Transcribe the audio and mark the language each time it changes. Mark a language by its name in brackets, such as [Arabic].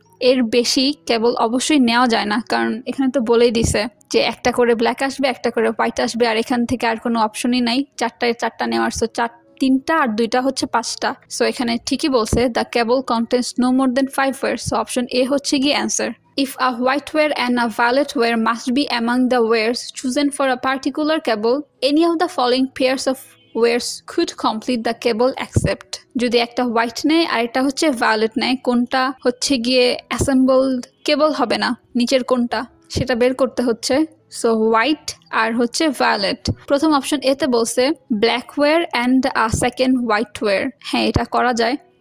[Bangla] এর বেশি কেবল অবশ্যই নেওয়া যায় না, কারণ এখানে তো বলেই দিছে যে একটা করে ব্ল্যাক আসবে, একটা করে হোয়াইট আসবে, আর এখান থেকে আর কোনো অপশনই নাই, চারটায় চারটা নেওয়ার। সো চার তিনটা আর দুইটা হচ্ছে পাঁচটা। সো এখানে ঠিকই বলছে, [English] the cable contents no more than five wire, [Bangla] so option A হচ্ছে গিয়ে answer. [English] If a white wire and a violet wire must be among the wires chosen for a particular cable, any of the following pairs of wires could complete the cable except. [Bangla] যদি একটা white নেয় আর একটা হচ্ছে violet নেয়, কোনটা হচ্ছে গিয়ে assembled কেবল হবে না, নিচের কোনটা সেটা বের করতে হচ্ছে। সো হোয়াইট আর হচ্ছে ভায়োলেট, প্রথম অপশন এতে বলছে [English] Black wire and a second white wire. [Bangla] হ্যাঁ, এটা করা যায়।